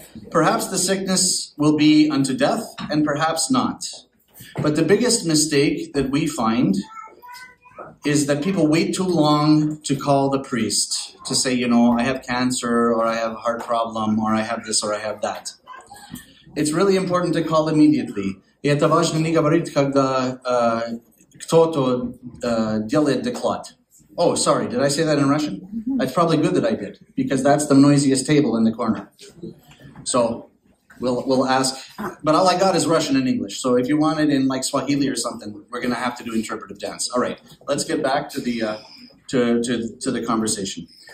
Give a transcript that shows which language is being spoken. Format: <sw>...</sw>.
<en>Perhaps the sickness will be unto death, and perhaps not. But the biggest mistake that we find is that people wait too long to call the priest to say, you know, I have cancer, or I have a heart problem, or I have this, or I have that. It's really important to call immediately.</en> <ru>Это важно не говорить, когда кто-то делает доклад.</ru> <en>Oh, sorry, did I say that in Russian? It's probably good that I did, because that's the noisiest table in the corner. So we'll ask, but all I got is Russian and English. So if you want it in like Swahili or something, we're going to have to do interpretive dance. All right, let's get back to the conversation.</en>